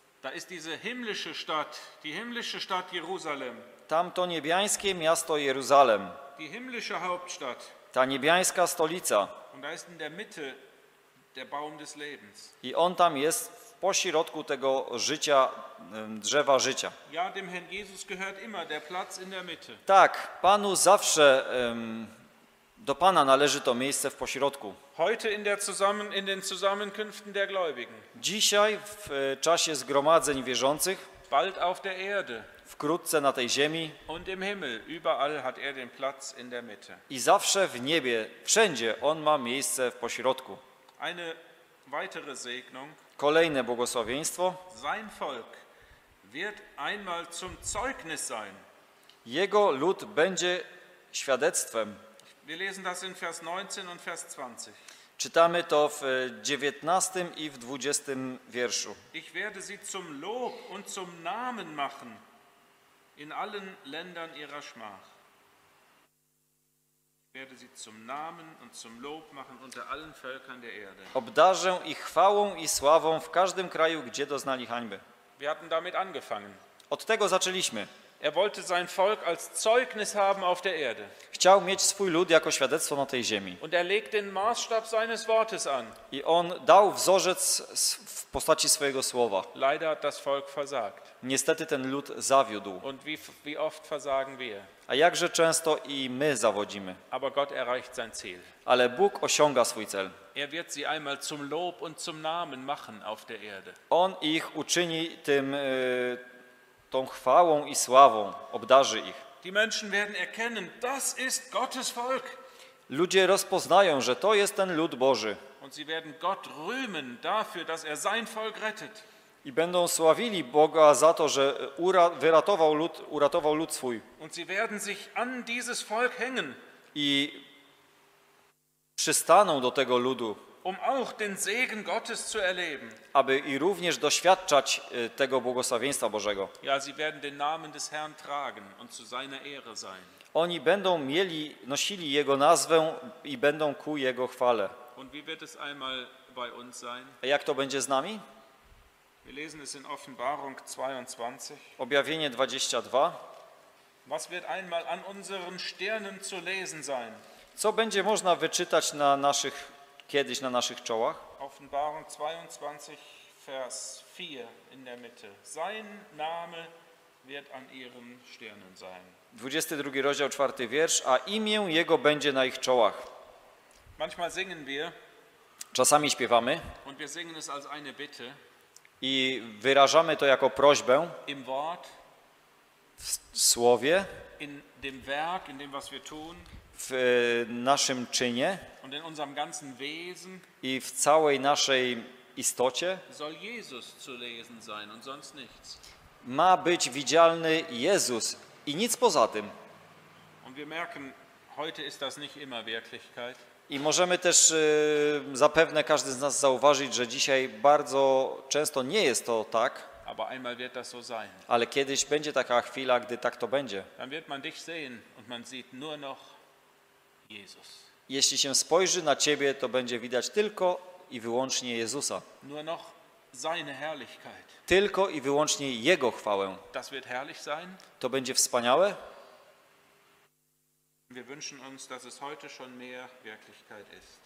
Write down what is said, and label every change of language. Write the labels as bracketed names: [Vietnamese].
[German] Da ist diese himmlische Stadt, die himmlische Stadt Jerusalem. [Polish] Tam to niebiańskie miasto Jerozolim. [German] Die himmlische Hauptstadt. [Polish] Ta niebiańska stolica. [German] Und da ist in der Mitte der Baum des Lebens. [Polish] I on tam jest w pośrodku tego życia, drzewa życia. [German] Ja, dem Herrn Jesus gehört immer der Platz in der Mitte. [Polish] Tak, Panu zawsze do Pana należy to miejsce w pośrodku. [German] Heute in den Zusammenkünften der Gläubigen. [Polish] Dzisiaj w czasie zgromadzeń wierzących. [German] Bald auf der Erde. [Polish] Wkrótce na tej ziemi. [German] Und im Himmel, überall hat er den Platz in der Mitte. [Polish] I zawsze w niebie, wszędzie on ma miejsce w pośrodku. [German] Eine weitere Segnung. [Polish] Kolejne błogosławieństwo. [German] Sein Volk wird einmal zum Zeugnis sein. [Polish] Jego lud będzie świadectwem. [German] Wir lesen das in Vers 19 und Vers 20. [Polish] Czytamy to w 19 i w 20 wierszu. [German] Ich werde sie zum Lob und zum Namen machen. In allen Ländern ihrer Schmach. Ich werde sie zum Namen und zum Lob machen unter allen Völkern der Erde. [Polish] Obdarzę ich chwałą i sławą w każdym kraju, gdzie doznali hańby. [German] Wir hatten damit angefangen. [Polish] Od tego zaczęliśmy. [German] Er wollte sein Volk als Zeugnis haben auf der Erde. [Polish] Chciał mieć swój lud jako świadectwo na tej ziemi. [German] Und er legt den Maßstab seines Wortes an. [Polish] I on dał wzorzec w postaci swojego słowa. [German] Leider hat das Volk versagt. [Polish] Niestety ten lud zawiódł. [German] Und wie oft versagen wir. [Polish] A jakże często i my zawodzimy. [German] Aber Gott erreicht sein Ziel. [Polish] Ale Bóg osiąga swój cel. [German] Er wird sie einmal zum Lob und zum Namen machen auf der Erde. [Polish] On ich uczyni tym tą chwałą i sławą, obdarzy ich. [German] Die Menschen werden erkennen, das ist Gottes Volk. [Polish] Ludzie rozpoznają, że to jest ten lud Boży. [German] Und sie werden Gott rühmen dafür, dass er sein Volk rettet. [Polish] I będą sławili Boga za to, że uratował lud swój. [German] Und sie werden sich an dieses Volk hängen. [Polish] I przystaną do tego ludu. [German] Um auch den Segen Gottes zu erleben. [Polish] Aby i również doświadczać tego błogosławieństwa Bożego. [German] Ja, sie werden den Namen des Herrn tragen und zu seiner Ehre sein. [Polish] Oni będą nosili jego nazwę i będą ku jego chwale. [German] Und wie wird es einmal bei uns sein? [Polish] A jak to będzie z nami? [German] Wir lesen es in Offenbarung 22. [Polish] Objawienie 22. [German] Was wird einmal an unseren Stirnen zu lesen sein? [Polish] Co będzie można wyczytać na naszych czołach? [German] Auf Offenbarung 22, Vers 4 in der Mitte. Sein Name wird an ihren Stirnen sein. [Polish] 22, rozdział 4, wiersz, a imię Jego będzie na ich czołach. [German] Manchmal singen wir. [Polish] Czasami śpiewamy. [German] Und wir singen es als eine Bitte. [Polish] I wyrażamy to jako prośbę. [German] Im Wort. [Polish] W słowie. [German] In dem Werk, in dem was wir tun. [Polish] W naszym czynie. [German] Und in unserem ganzen Wesen. [Polish] I w całej naszej istocie. [German] Soll Jesus zu lesen sein und sonst nichts. [Polish] Ma być widzialny Jezus i nic poza tym. [German] Und wir merken, heute ist das nicht immer Wirklichkeit. [Polish] I możemy też zapewne każdy z nas zauważyć, że dzisiaj bardzo często nie jest to tak. [German] Aber einmal wird das so sein. [Polish] Ale kiedyś będzie taka chwila, gdy tak to będzie. [German] Dann wird man dich sehen und man sieht nur noch Jesus. [Polish] Jeśli się spojrzy na ciebie, to będzie widać tylko i wyłącznie Jezusa. [German] Nur noch seine Herrlichkeit. [Polish] Tylko i wyłącznie Jego chwałę. [German] Das wird herrlich sein. [Polish] To będzie wspaniałe. [German] Wir wünschen uns, dass es heute schon mehr Wirklichkeit ist.